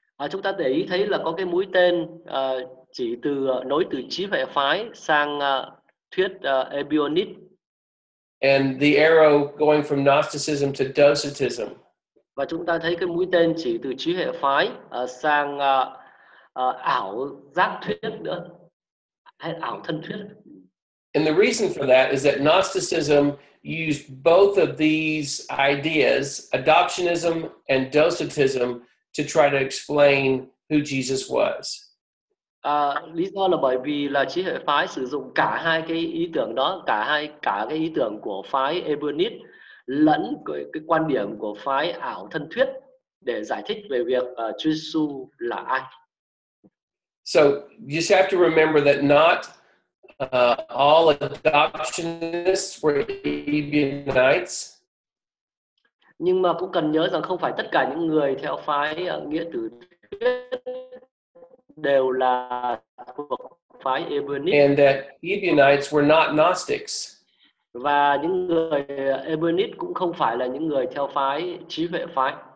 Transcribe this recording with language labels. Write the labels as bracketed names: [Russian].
[Vietnamese] Chúng ta để ý thấy là có cái mũi tên chỉ từ nối từ trí huệ phái sang thuyết Ebionist. [English] And the arrow going from Gnosticism to Docetism. [Vietnamese] Và chúng ta thấy cái mũi tên chỉ từ trí huệ phái sang ảo giác thuyết nữa, hay ảo thân thuyết. [English] And the reason for that is that Gnosticism used both of these ideas, adoptionism and Docetism, to try to explain who Jesus was. [Vietnamese] Lý do là bởi vì là trí hệ phái sử dụng cả hai cái ý tưởng đó, cả cái ý tưởng của phái Ebionist lẫn cái quan điểm của phái ảo thân thuyết để giải thích về việc Chúa Giêsu là ai. [English] So you just have to remember that not all adoptionists were Ebionites. [Vietnamese] Nhưng mà cũng cần nhớ rằng không phải tất cả những người theo phái nghĩa tử thuyết đều là thuộc phái Ebionist. [English] And that Ebionites were not Gnostics. [Vietnamese] Và những người Ebionist cũng không phải là những người theo phái trí huệ phái.